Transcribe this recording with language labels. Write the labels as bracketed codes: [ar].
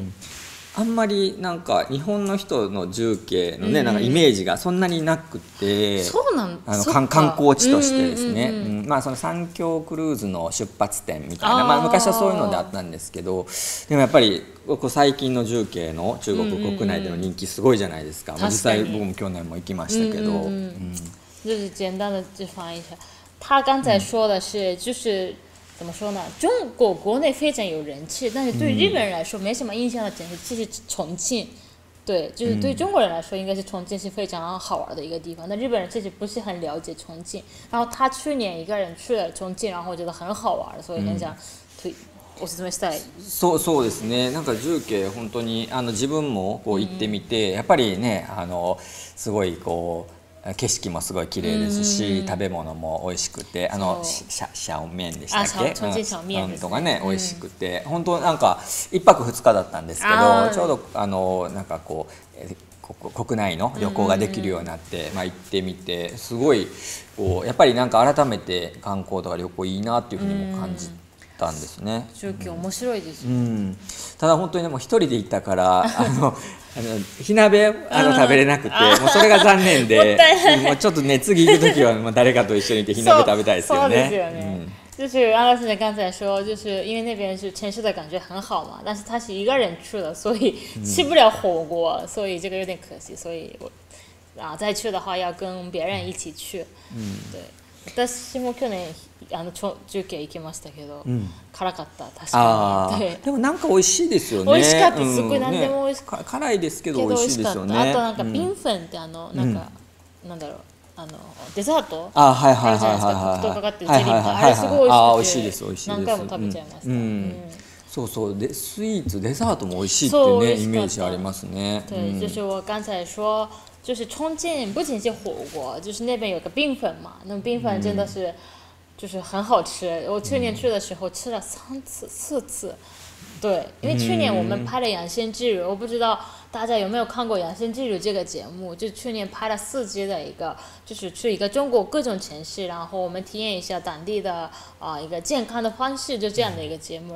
[ja] ん、あんまりなんか日本の人の重慶のね、うん、なんかイメージがそんなになくて、そうなん、あの観光地としてですね、うんうんうん、まあその三峡クルーズの出発点みたいな、まあ昔はそういうのであったんですけど、でもやっぱりここ最近の重慶の中国国内での人気すごいじゃないですか、うんうん、実際僕も去年も行きましたけど、 [zh] 就是简单的就翻译一下他刚才说的是、うん、就是怎么说呢？中国国内非常有人气，但是对日本人来说没什么印象的城市，就是重庆。对，就是对中国人来说，应该是重庆是非常好玩的一个地方。但日本人其实不是很了解重庆。然后他去年一个人去了重庆，然后觉得很好玩，所以很想推。 [ja] おすすめしたい。そうですね。なんか重慶本当に自分もこう行ってみて、やっぱりねすごいこう。景色もすごい綺麗ですし、食べ物も美味しくて、シャオメンでしたっけ、重庆シャオメンとかね、美味しくて、本当なんか一泊二日だったんですけど、ちょうどなんかこう国内の旅行ができるようになって、まあ、行ってみて、すごいこうやっぱりなんか改めて観光とか旅行いいなっていうふうにも感じて、たんですね。中京面白いです、うん、ただ本当にでも一人で行ったから火鍋食べれなくて、もうそれが残念で、もうちょっとね次行くときは誰かと一緒に行って火鍋食べたいですよね。そうですよね、 [zh] うん、就是安老先生刚才说就是因为那边是城市的感觉很好嘛，但是他是一个人去的，所以吃不了火锅，所以这个有点可惜，所以我再去的话要跟别人一起去。嗯，对。 [ja] 私も去年中継行きましたけど、うん、辛かった確かに。でもなんか美味しいですよね。美味しかった、すごい何でも美味しかった、うんね、辛いですけど美味しいですよね。あとなんかビンフェンってなんか、うん、なんだろう、デザート、あーはいはいはいはいはい、黒糖かかってるゼリーとか、あれすごい美味しくて、美味しいです美味しいです、何回も食べちゃいました、うんうんうん、そうそう、でスイーツデザートも美味しいっていうねイメージありますね。 [zh] 对、うん、就是我刚才说就是重庆不仅是火锅，就是那边有个冰粉嘛，那冰粉真的是，就是很好吃。嗯、我去年去的时候吃了三次、四次，对，因为去年我们拍了《养仙之旅》，我不知道大家有没有看过《养仙之旅》这个节目，就去年拍了四集的一个，就是去一个中国各种城市，然后我们体验一下当地的一个健康的方式，就这样的一个节目。